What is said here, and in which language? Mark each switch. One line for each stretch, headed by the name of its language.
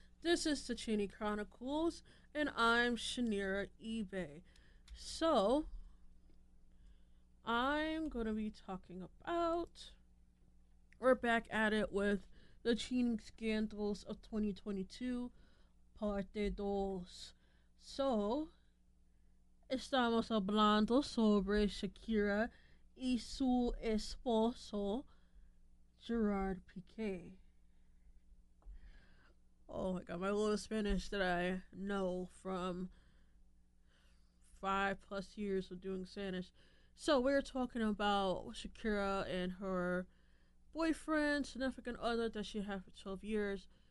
English: This is the Cheney Chronicles, and I'm Shanira eBay. So, I'm going to be talking about, we're back at it with the cheating scandals of 2022,
Spanish: parte dos. So, estamos hablando sobre Shakira y su esposo, Gerard Piqué.
English: Oh my god, my little Spanish that I know from 5+ years of doing Spanish. So we're talking about Shakira and her boyfriend, significant other that she had for 12 years.